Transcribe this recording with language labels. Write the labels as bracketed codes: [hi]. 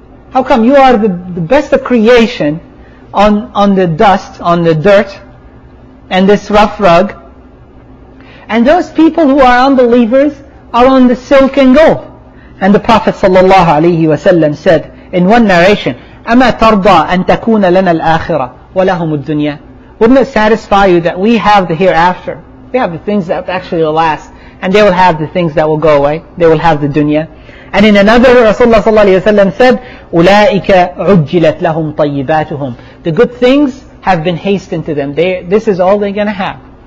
[en] How come you are the best of creation on the dust, on the dirt, and this rough rug? And those people who are unbelievers are on the silk and gold. And the Prophet ﷺ said in one narration, [ar] أما ترضى أن تكون لنا الآخرة ولهم الدنيا? [en] Wouldn't it satisfy you that we have the hereafter? We have the things that actually will last. And they will have the things that will go away. They will have the dunya. And in another, Rasulullah [ar] صلى الله عليه وسلم [en] said, [ar] أولئك عجلت لهم طيباتهم. [en] The good things have been hastened to them. This is all they're going to have.